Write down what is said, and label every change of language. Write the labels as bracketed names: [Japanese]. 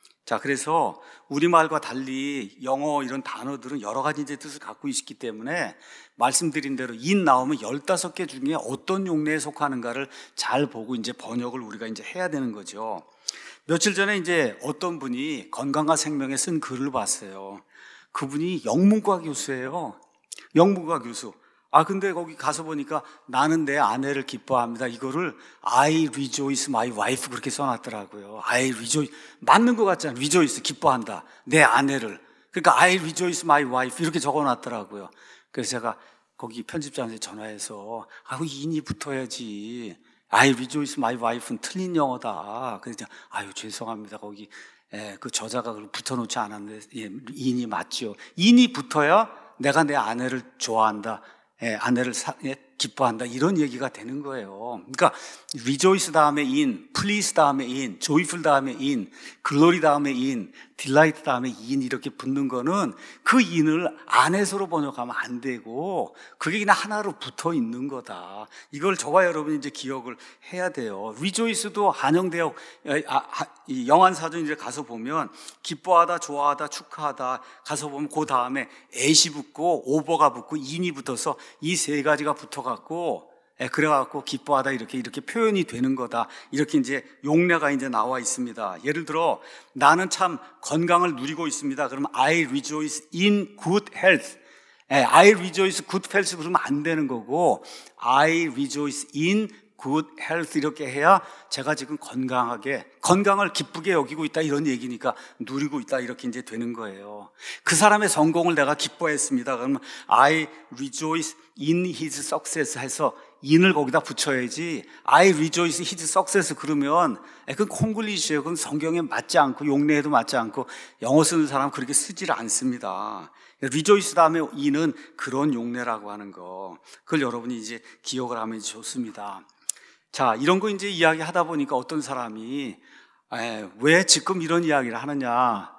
[Korean] 자, 그래서 우리말과 달리 영어 이런 단어들은 여러 가지 이제 뜻을 갖고 있기 때문에 말씀드린 대로 in 나오면 15개 중에 어떤 용례에 속하는가를 잘 보고 이제 번역을 우리가 이제 해야 되는 거죠. 며칠 전에 이제 어떤 분이 건강과 생명에 쓴 글을 봤어요. 그분이 영문과 교수예요. 영문과 교수. 아, 근데 거기 가서 보니까 나는 내 아내를 기뻐합니다. 이거를 [English] I rejoice my wife [Korean] 그렇게 써놨더라고요. [English] I rejoice. [Korean] 맞는 것 같지 않아요? Rejoice, 기뻐한다. 내 아내를. 그러니까 [English] I rejoice my wife [Korean] 이렇게 적어놨더라고요. 그래서 제가 거기 편집장한테 전화해서 아, 인이 붙어야지. [English] I rejoice my wife는 [Korean] 틀린 영어다. 그래서 아유 죄송합니다. 거기 그 저자가 그걸 붙여놓지 않았는데 예, 인이 맞죠. 인이 붙어야 내가 내 아내를 좋아한다. 아내를 기뻐한다. 이런 얘기가 되는 거예요. 그러니까 rejoice 다음에 in, please 다음에 in, joyful 다음에 in, glory 다음에 in, delight 다음에 in 이렇게 붙는 거는 그 in을 안에서로 번역하면 안 되고 그게 그냥 하나로 붙어 있는 거다. 이걸 저와 여러분이 이제 기억을 해야 돼요. rejoice도 한영대어 영안사전에 가서 보면 기뻐하다, 좋아하다, 축하하다 가서 보면 그 다음에 at이 붙고 over가 붙고 in이 붙어서 이 세 가지가 붙어갖고 그래갖고 기뻐하다 이렇게 표현이 되는 거다. 이렇게 이제 용례가 이제 나와 있습니다. 예를 들어 나는 참 건강을 누리고 있습니다. 그러면 [English] I rejoice in good health. I rejoice good health [Korean] 그러면 안 되는 거고 [English] I rejoice in good health [Korean] 이렇게 해야 제가 지금 건강하게 건강을 기쁘게 여기고 있다 이런 얘기니까 누리고 있다 이렇게 이제 되는 거예요. 그 사람의 성공을 내가 기뻐했습니다. 그러면 [English] I rejoice in his success [Korean] 해서 in을 거기다 붙여야지 [English] I rejoice his success [Korean] 그러면 그건 콩글리시예요. 그건 성경에 맞지 않고 용례에도 맞지 않고 영어 쓰는 사람 그렇게 쓰질 않습니다. rejoice 다음에 in은 그런 용례라고 하는 거 그걸 여러분이 이제 기억을 하면 좋습니다. 자, 이런 거 이제 이야기하다 보니까 어떤 사람이 왜 지금 이런 이야기를 하느냐.